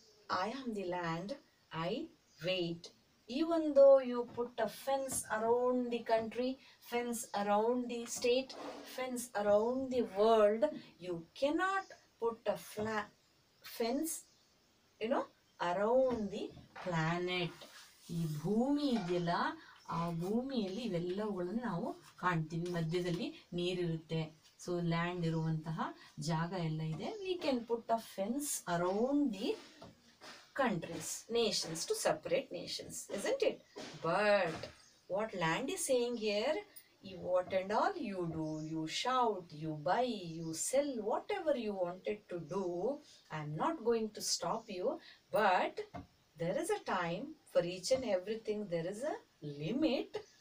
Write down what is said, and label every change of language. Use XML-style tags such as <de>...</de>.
<en>I am the land, I wait. Even though you put a fence around the country, fence around the state, fence around the world, you cannot put a fence, you know, around the planet.</en> <kn>ಈ ಭೂಮಿ ಇದೆಯಲ್ಲ, ಆ ಭೂಮಿಯಲ್ಲಿ ಇವೆಲ್ಲವುಗಳನ್ನು ನಾವು ಕಾಣ್ತೀವಿ. ಮಧ್ಯದಲ್ಲಿ ನೀರಿರುತ್ತೆ. So land ಇರುವಂತಹ ಜಾಗ ಎಲ್ಲ ಇದೆ.</kn> <en>We can put a fence around the countries, nations, to separate nations, isn't it? But what land is saying here, you, what and all you do, you shout, you buy, you sell, whatever you wanted to do, I'm not going to stop you, but there is a time for each and everything, there is a limit.</en>